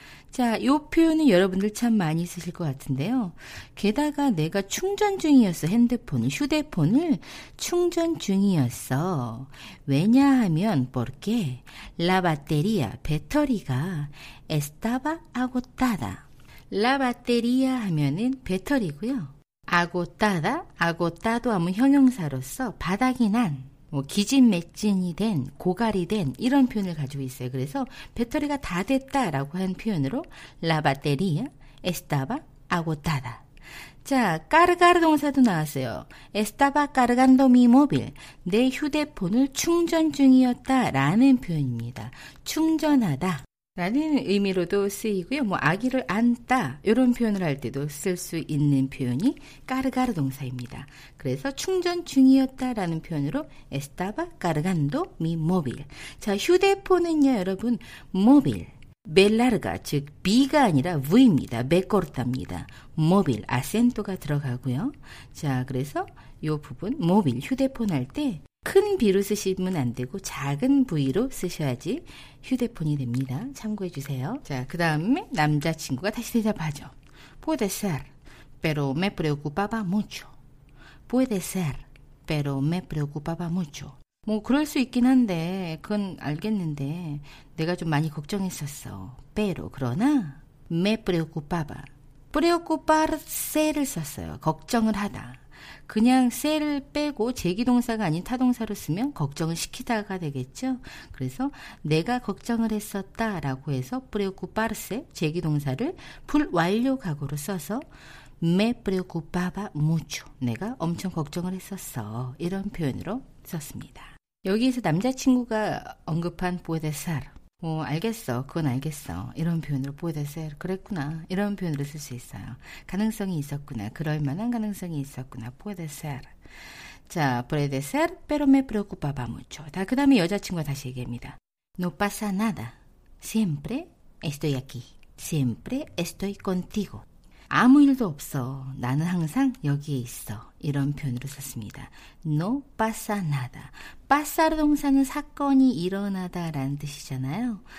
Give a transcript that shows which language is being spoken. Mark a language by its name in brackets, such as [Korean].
[Korean] 자, 이 표현은 여러분들 참 많이 쓰실 것 같은데요. 게다가 내가 충전 중이었어. 핸드폰을, 휴대폰을 충전 중이었어. 왜냐하면 [Spanish] porque la batería, 배터리가 estaba agotada. [Korean] La batería 하면은 배터리고요. agotada, agotado 하면 형용사로서 바닥이 난, 뭐 기진맥진이 된, 고갈이 된 이런 표현을 가지고 있어요. 그래서 배터리가 다 됐다라고 한 표현으로 [Spanish] La batería estaba agotada. [Korean] 자, cargar 동사도 나왔어요. [Spanish] Estaba cargando mi móvil. [Korean] 내 휴대폰을 충전 중이었다 라는 표현입니다. 충전하다 라는 의미로도 쓰이고요. 뭐 아기를 안다 이런 표현을 할 때도 쓸 수 있는 표현이 cargar 동사입니다. 그래서 충전 중이었다라는 표현으로 [Spanish] estaba cargando mi móvil. [Korean] 자, 휴대폰은요 여러분 móvil, [Spanish] be larga [Korean] 즉 b가 아니라 v입니다. [Spanish] be corta입니다. [Korean] móvil, acento가 들어가고요. 자, 그래서 이 부분 móvil, 휴대폰 할 때 큰 B로 쓰시면 안 되고 작은 V로 쓰셔야지 휴대폰이 됩니다. 참고해 주세요. 자, 그 다음에 남자친구가 다시 대답하죠. [Spanish] Puede ser, pero me preocupaba mucho. Puede ser, pero me preocupaba mucho. [Korean] 뭐 그럴 수 있긴 한데 그건 알겠는데 내가 좀 많이 걱정했었어. [Spanish] Pero, 그러나 me preocupaba. [Korean] Preocuparse를 썼어요. 걱정을 하다. 그냥 se를 빼고 제기 동사가 아닌 타동사로 쓰면 걱정을 시키다가 되겠죠. 그래서 내가 걱정을 했었다라고 해서 preocuparse 제기 동사를 불완료 과거로 써서 [Spanish] me preocupaba mucho. [Korean] 내가 엄청 걱정을 했었어. 이런 표현으로 썼습니다. 여기에서 남자친구가 언급한 [Spanish] puede ser. [Korean] 뭐 알겠어. 그건 알겠어. 이런 표현으로 [Spanish] puede ser. [Korean] 그랬구나. 이런 표현으로 쓸수 있어요. 가능성이 있었구나. 그럴 만한 가능성이 있었구나. [Spanish] puede ser. 자, puede ser, pero me preocupaba mucho. [Korean] 다 그다음에 여자친구가 다시 얘기합니다. [Spanish] No pasa nada. Siempre estoy aquí. Siempre estoy contigo. [Korean] 아무 일도 없어. 나는 항상 여기에 있어. 이런 표현으로 썼습니다. [Spanish] No pasa nada. [Korean] Pasar 동사는 사건이 일어나다라는 뜻이잖아요.